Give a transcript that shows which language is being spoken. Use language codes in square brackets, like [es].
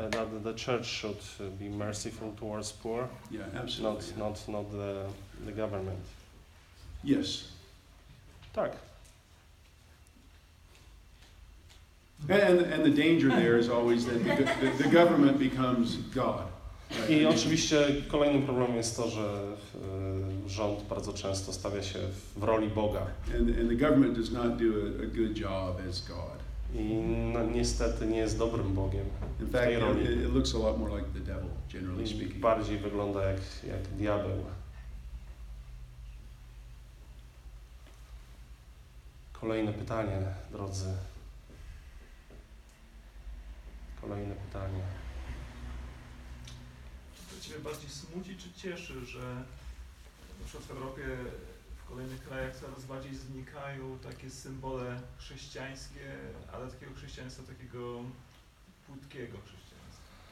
[en] That the church should be merciful towards poor. Yeah, absolutely. Not the government. Yes. [pl] Tak. [en] And the danger there is always that the government becomes God. Right? [pl] I oczywiście kolejnym problemem jest to, że rząd bardzo często stawia się w roli Boga. [en] And the government does not do a good job as God. [pl] I no, niestety nie jest dobrym Bogiem. [en] In fact, it looks a lot more like the devil, generally speaking. [pl] Bardziej wygląda jak diabeł. Kolejne pytanie, drodzy. Kolejne pytanie. Czy to Ciebie bardziej smuci, czy cieszy, że na przykład w Europie, w kolejnych krajach coraz bardziej znikają takie symbole chrześcijańskie, ale takiego chrześcijaństwa, takiego płytkiego chrześcijaństwa?